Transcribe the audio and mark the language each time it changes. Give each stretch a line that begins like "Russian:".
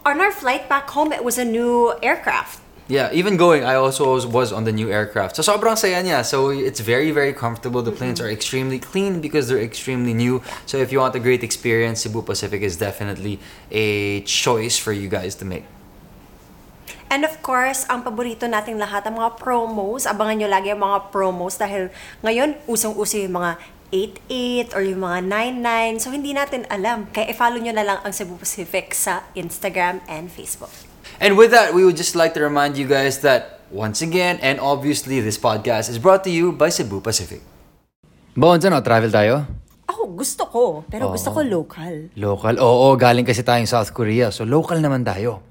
English: On our flight back home, it was a new aircraft. Yeah, even going, I also was on the new aircraft. So,
Filipino: sobrang saya niya.
English: So, it's very, very comfortable. The planes are extremely clean because they're extremely new. So, if you want a great experience, Cebu Pacific is definitely a choice for you guys to make. And of course,
Filipino: ang paborito nating lahat, ang mga promos. Abangan nyo lagi ang mga promos dahil ngayon, usong-uso yung mga 88 or yung mga 99. So, hindi natin alam. Kaya, i-follow nyo na lang ang Cebu Pacific sa Instagram and Facebook.
English: And with that, we would just like to remind you guys that once again, and obviously, this podcast is brought to you by Cebu Pacific.
Filipino: Bones, ano? Travel tayo? Ako, gusto ko. Pero gusto ko local. Local? Oo, galing kasi tayong South Korea. So, local naman tayo.